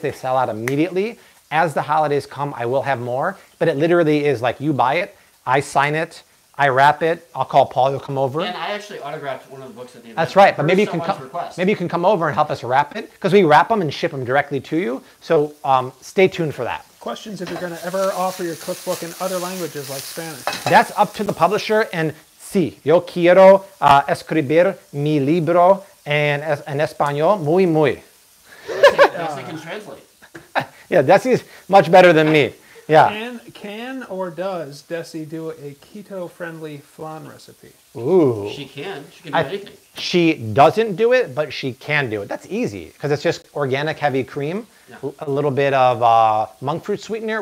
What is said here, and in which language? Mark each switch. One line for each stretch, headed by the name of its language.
English: They sell out immediately. As the holidays come, I will have more, but it literally is like you buy it, I sign it, I wrap it, I'll call Paul, he'll come over. And I actually autographed one of the books at the end. That's right, but maybe you can come over and help us wrap it, because we wrap them and ship them directly to you, so stay tuned for that. Questions if you're gonna ever offer your cookbook in other languages like Spanish. That's up to the publisher, and
Spanish: sí, yo quiero escribir mi libro en español muy, muy.
English: Yes, they can translate. Yeah, Desi's much better than me. Yeah. Can or does Desi do a keto-friendly flan recipe? Ooh. She can. She can do anything. She doesn't do it, but she can do it. That's easy because it's just organic heavy cream, a little bit of monk fruit sweetener.